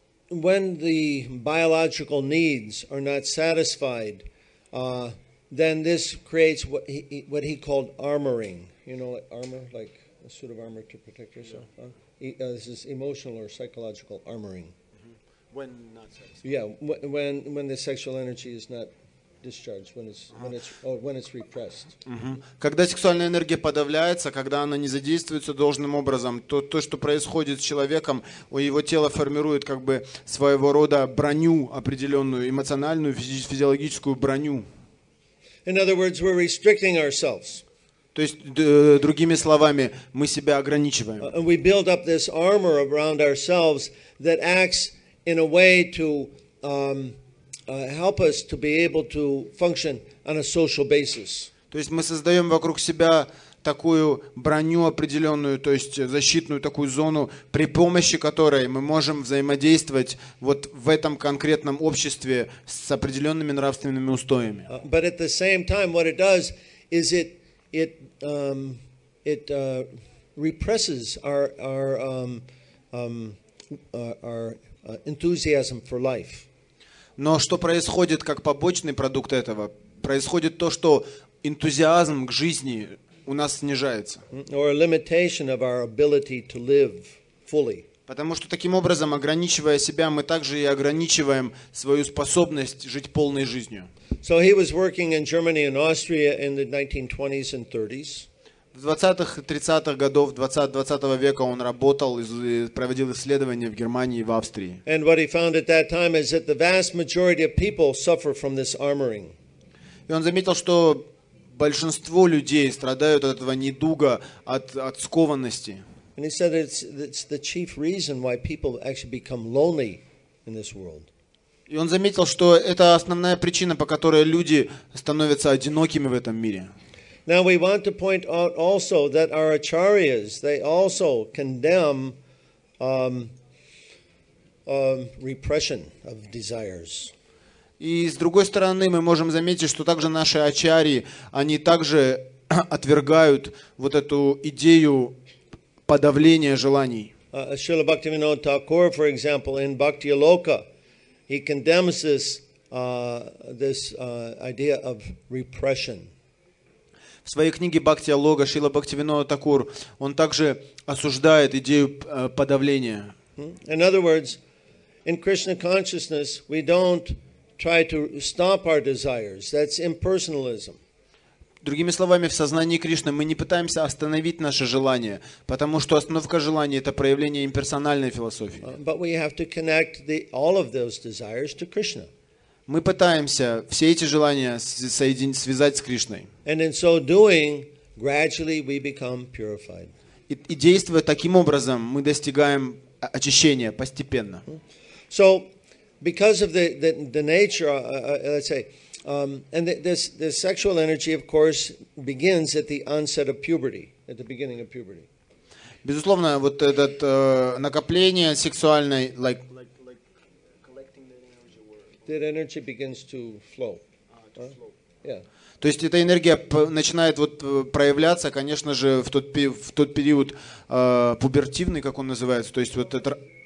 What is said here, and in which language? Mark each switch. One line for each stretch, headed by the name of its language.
English: When the biological needs are not satisfied, then this creates what he called armoring. You know, like armor, like a suit of armor to protect yourself. Yeah. This is emotional or psychological armoring. Mm-hmm. When not satisfied. Yeah, when the sexual energy is not discharged, when it's repressed. Mm-hmm.
Russian: Когда сексуальная энергия подавляется, когда она не задействуется должным образом, то, что происходит с человеком, его тело формирует как бы своего рода броню определенную, эмоциональную, физиологическую броню.
English: In other words, we're restricting ourselves.
Russian: То есть, другими словами, мы себя ограничиваем.
English: We build up this armor around ourselves that acts in a way to help us to be able to function on a social basis.
Russian: То есть мы создаем вокруг себя такую броню определенную, то есть защитную такую зону, при помощи которой мы можем взаимодействовать вот в этом конкретном обществе с определенными нравственными устоями.
English: But at the same time, what it does is it represses our enthusiasm for life.
Russian: Но что происходит как побочный продукт этого? Происходит то, что энтузиазм к жизни у нас снижается.
English: Or a limitation of our ability to live fully.
Russian: Потому что таким образом, ограничивая себя, мы также и ограничиваем свою способность жить полной жизнью.
English: So he was working in Germany and Austria in the 1920s and 30s.
Russian: В 20-х и 30-х годов 20-го века он работал и проводил исследования в Германии и в Австрии.
English: And what he found at that time is that the vast majority of people suffer from this armoring.
Russian: И он заметил, что большинство людей страдают от этого недуга, от скованности.
English: And he said it's the chief reason why people actually become lonely in this world.
Russian: И он заметил, что это основная причина, по которой люди становятся одинокими в этом мире.
English: Now we want to point out also that our acharyas, they also condemn repression of desires.
Russian: И с другой стороны, мы можем заметить, что также наши ачарьи, они также отвергают вот эту идею подавления желаний.
English: Шрила Бхактивинода Тхакур, for example, in Bhakti Loka, he condemns this idea of repression.
Russian: В своей книге «Бхакти Йога» Шрила Бхактивинода Тхакур, он также осуждает идею подавления.
English: In other words, in Krishna consciousness, we don't try to stop our desires. That's impersonalism.
Russian: Другими словами, в сознании Кришны мы не пытаемся остановить наши желания, потому что остановка желаний — это проявление имперсональной философии.
English: But we have to connect all of those desires to Krishna.
Russian: Мы пытаемся все эти желания связать с Кришной.
English: And in so doing, gradually we become purified.
Russian: И действуя таким образом, мы достигаем очищения постепенно.
English: So, because of the nature, let's say, and the sexual energy, of course, begins at the onset of puberty, at the beginning of puberty.
Russian: Безусловно, вот этот накопление сексуальной,
English: that energy begins to flow. Yeah.
Russian: То есть эта энергия начинает вот проявляться, конечно же, в тот период пубертивный, как он называется, то есть вот это